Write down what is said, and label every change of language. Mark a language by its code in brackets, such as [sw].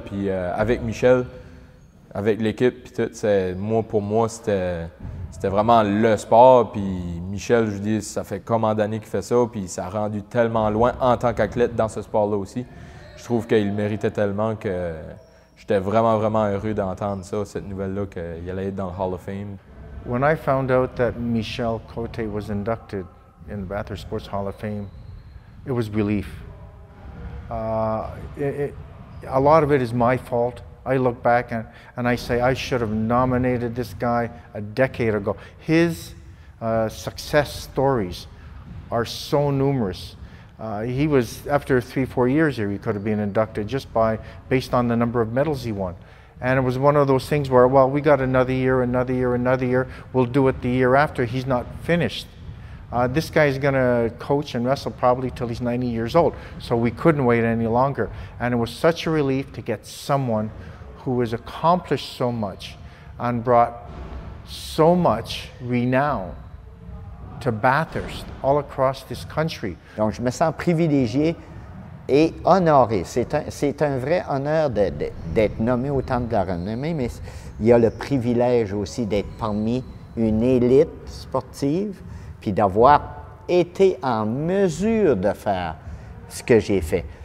[fr] Puis avec Michel, avec l'équipe, puis tout, c'était vraiment le sport. Puis Michel, je dis, ça fait combien d'années qu'il fait ça, puis ça a rendu tellement loin en tant qu'athlète dans ce sport-là aussi. Je trouve qu'il méritait tellement que... J'étais vraiment, vraiment heureux d'entendre ça, cette nouvelle-là, qu'il allait être dans le Hall of Fame. [en] When I found out that Michel Côté was inducted in the Bathurst Sports Hall of Fame, it was relief. A lot of it is my fault. I look back and I say, I should have nominated this guy a decade ago. His success stories are so numerous. He was, after 3-4 years here, he could have been inducted just based on the number of medals he won. And it was one of those things where, well, we got another year, another year, another year. We'll do it the year after. He's not finished. This guy's going to coach and wrestle probably till he's 90 years old. So we couldn't wait any longer. And it was such a relief to get someone who has accomplished so much and brought so much renown to Bathurst, all across this country. [fr] Donc, je me sens privilégié et honoré. C'est un vrai honneur d'être nommé au Temple de la renommée, mais il y a le privilège aussi d'être parmi une élite sportive puis d'avoir été en mesure de faire ce que j'ai fait.